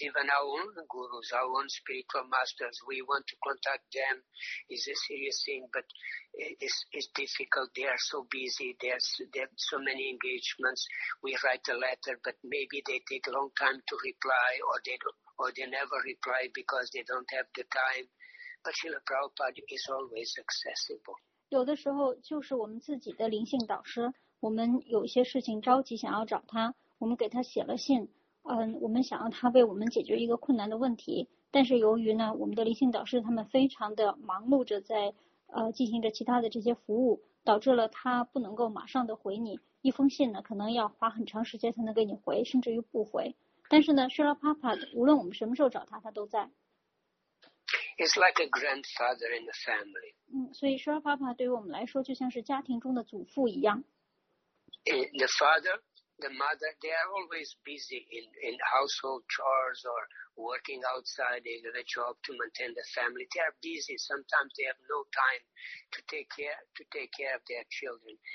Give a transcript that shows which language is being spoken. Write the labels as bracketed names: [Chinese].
[English] even our own gurus, our own spiritual masters, we want to contact them is a serious thing, but it's difficult. They are so busy. They have so many engagements. We write a letter, but maybe they take a long time to reply, or they never reply because they don't have the time. But Srila Prabhupada is always accessible. [Chinese] 有的时候就是我们自己的灵性导师。我们有些事情着急想要找他，我们给他写了信，我们想要他为我们解决一个困难的问题，但是由于呢，我们的灵性导师他们非常的忙碌着在进行着其他的这些服务，导致了他不能够马上的回你一封信呢，可能要花很长时间才能给你回，甚至于不回。但是呢，希拉帕帕无论我们什么时候找他，他都在。 [English] It's like a grandfather in the family. [Chinese] 所以希拉帕帕对于我们来说就像是家庭中的祖父一样。 [English] The father, the mother, they are always busy in household chores or working outside in the job to maintain the family. They are busy. Sometimes they have no time to take care of their children.